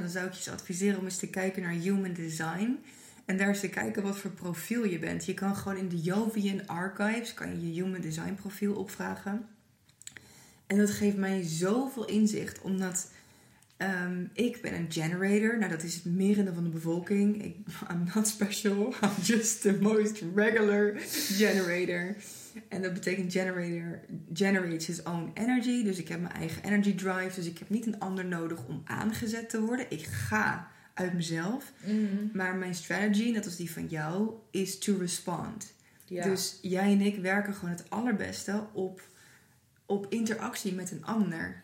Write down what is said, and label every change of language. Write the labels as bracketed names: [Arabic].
[Dutch] Dan zou ik je eens adviseren om eens te kijken naar Human Design. En daar is te kijken wat voor profiel je bent. Je kan gewoon in de Jovian Archives, kan je Human Design profiel opvragen. En dat geeft mij zoveel inzicht, omdat ik ben een generator. Nou, dat is het merende van de bevolking. [English] I'm not special, I'm just the most regular generator. [Dutch] En dat betekent generator [English] generates his own energy. [Dutch] Dus ik heb mijn eigen energy drive. Dus ik heb niet een ander nodig om aangezet te worden. Ik ga... uit mezelf. Mm-hmm. Maar mijn strategy, net als die van jou, [English] is to respond. [Dutch] Ja. Dus jij en ik werken gewoon het allerbeste op interactie met een ander.